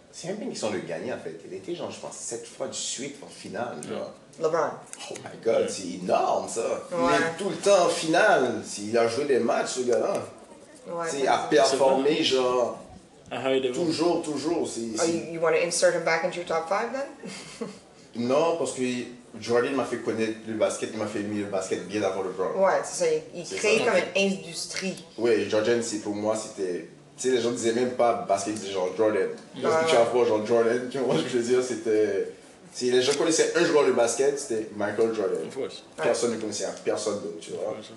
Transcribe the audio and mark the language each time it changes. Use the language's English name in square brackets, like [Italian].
[French] C'est même bien qu'ils sont le gagnant en fait. Il a été genre, je pense, 7 fois de suite en finale. Genre. LeBron. [English] Oh my god, [French] c'est énorme ça. Ouais. Il est tout le temps en finale. Il a joué des matchs ce gars-là. Ouais, c'est à performer genre... Toujours, toujours. [English] You want to insert him back into your top 5 then? [French] Non, parce que Jordan m'a fait connaître le basket, il m'a fait aimer le basket bien avant LeBron. Ouais, c'est ça, il crée comme une industrie. Oui, Jordan, c'est pour moi, c'était... Tu sais, les gens disaient même pas basket, ils disaient genre Jordan. Parce que tu as vu genre Jordan, tu vois ce que je veux dire, c'était... Si les gens connaissaient un joueur de basket, c'était Michael Jordan. Personne ne connaissait, personne d'autre, tu vois.